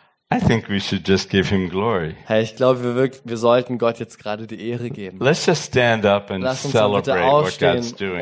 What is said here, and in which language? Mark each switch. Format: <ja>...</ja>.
<en>I think we should just give him glory.</en> <de>Hey, ich glaube, wir sollten Gott jetzt gerade die Ehre geben.</de> <en>Let's just stand up and celebrate what God's doing.</en>